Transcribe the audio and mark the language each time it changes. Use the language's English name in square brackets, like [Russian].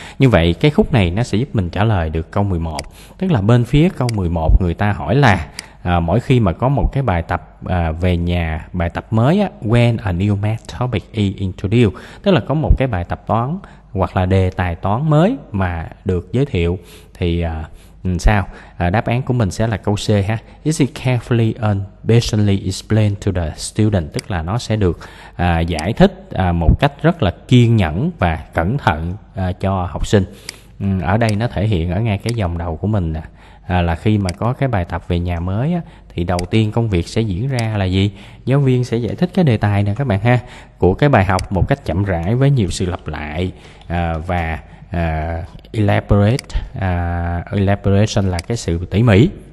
[Vietnamese] Như vậy cái khúc này nó sẽ giúp mình trả lời được câu 11, tức là bên phía câu 11 người ta hỏi là mỗi khi mà có một cái bài tập về nhà, bài tập mới á, [English] when a new math topic is introduced, [Vietnamese] tức là có một cái bài tập toán hoặc là đề tài toán mới mà được giới thiệu thì sao? Đáp án của mình sẽ là câu C ha. [English] Is it carefully and patiently explained to the student? [Vietnamese] Tức là nó sẽ được giải thích một cách rất là kiên nhẫn và cẩn thận cho học sinh. Ở đây nó thể hiện ở ngay cái dòng đầu của mình nè. Là khi mà có cái bài tập về nhà mới á, thì đầu tiên công việc sẽ diễn ra là gì? Giáo viên sẽ giải thích cái đề tài nè các bạn ha, của cái bài học một cách chậm rãi với nhiều sự lặp lại, và elaboration là cái sự tỉ mỉ.